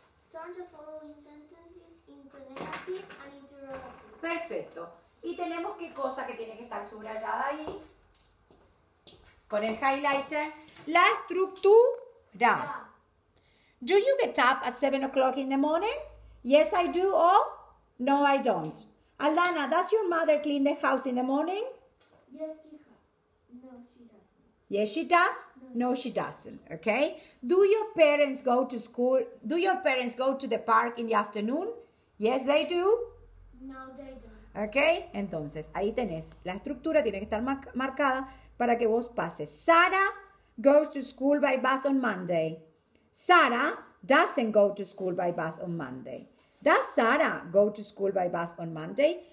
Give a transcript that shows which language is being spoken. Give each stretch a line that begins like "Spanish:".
English: Turn the following sentences into negative and interrogative.
Spanish: Perfecto. ¿Y tenemos qué cosa que tiene que estar subrayada ahí? Con el highlighter. La estructura. Da.
English: Do you get up at 7 o'clock in the morning? Yes, I do, or no, I don't. Aldana, does your mother clean the house in the morning? Yes, she does. No, she doesn't. Yes, she does? No, she doesn't. Okay. Do your parents go to school? Do your parents go to the park in the afternoon? Yes, they do. No, they don't.
Spanish: Okay. Entonces, ahí tenés. La estructura tiene que estar marcada para que vos pases.
English: Sara goes to school by bus on Monday. Sara doesn't go to school by bus on Monday. Does Sara go to school by bus on Monday?